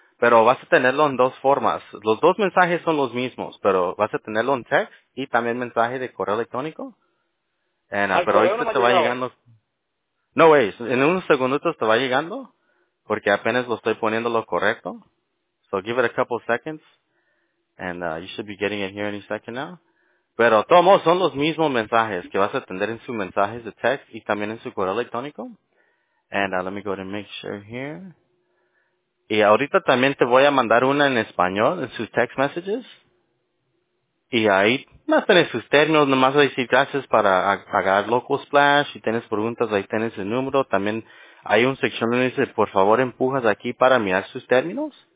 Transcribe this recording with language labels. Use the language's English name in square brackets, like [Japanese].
[Spanish] Pero vas a tenerlo en dos formas. Los dos mensajes son los mismos, pero vas a tenerlo en text y también mensaje de correo electrónico. And, pero ahorita te va llegando. No, güey, en unos segunditos te va llegando, porque apenas lo estoy poniendo lo correcto. [English] So give it a couple seconds, and you should be getting it here any second now. [Spanish] Pero de todos modos, son los mismos mensajes que vas a tener en sus mensajes de text y también en su correo electrónico. [English] And let me go to make sure here. [Spanish] Y ahorita también te voy a mandar una en español, en sus text messages. Y ahí, más tenés sus términos, nomás voy a decir gracias para pagar Local Splash. Si tienes preguntas, ahí tienes el número. También hay un sección donde dice, por favor, empujas aquí para mirar sus términos.